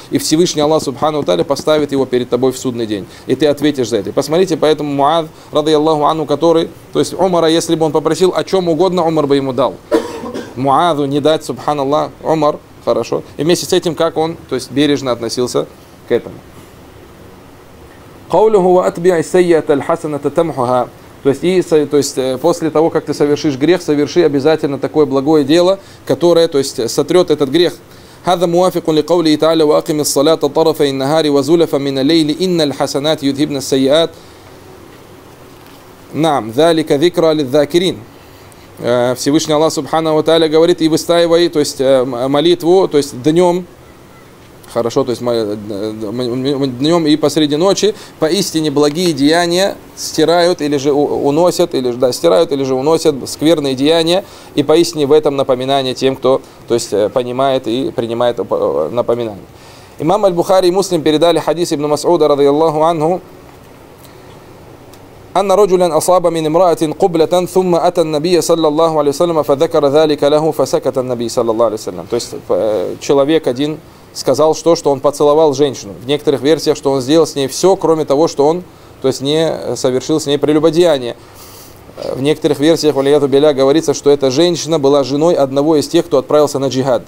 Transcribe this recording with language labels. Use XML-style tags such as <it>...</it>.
<ru>И Всевышний Аллах Субхану Тали поставит его перед тобой в судный день. И ты ответишь за это. Посмотрите, поэтому Муаз, рады Аллаху Ану, который, то есть Умара, если бы он попросил о чем угодно, Умар бы ему дал. Муазу не дать, Субханаллах, Умар, хорошо. И вместе с этим, как он, то есть бережно относился к этому.</ru> <ar>قوله واتبع السيئه الحسنه تمحها.</ar> <ru>То есть, после того, как ты совершишь грех, соверши обязательно такое благое дело, которое, то есть, сотрёт этот грех.</ru> <ar>هذا موافق لقوله تعالى واقم الصلاه طرفي النهار وزلفا من الليل ان الحسنات يذهبن السيئات. نعم, ذلك ذكرى للذاكرين.</ar> <ru>Всевышний Аллах Субханаху ва Тааля говорит: "И выстаивай, то есть, молитву, то есть, днём, хорошо, то есть днем и посреди ночи, поистине благие деяния стирают или же уносят, или же да, стирают, или же уносят скверные деяния, и поистине в этом напоминание тем, кто то есть, понимает и принимает напоминание". Имам аль-Бухари и Муслим передали хадис ибн Мас'уда, радиаллаху анху,</ru> <ar>أن رجلا أصاب من امرأة قبلة ثم أتى النبي صلى الله عليه وسلم فذكر ذلك له فسكت النبي صلى الله عليه وسلم.</ar> <ru>То есть человек один сказал, что он поцеловал женщину. В некоторых версиях, что он сделал с ней все, кроме того, что он то есть, не совершил с ней прелюбодеяние. В некоторых версиях, валяту беля, говорится, что эта женщина была женой одного из тех, кто отправился на джихад.</ru>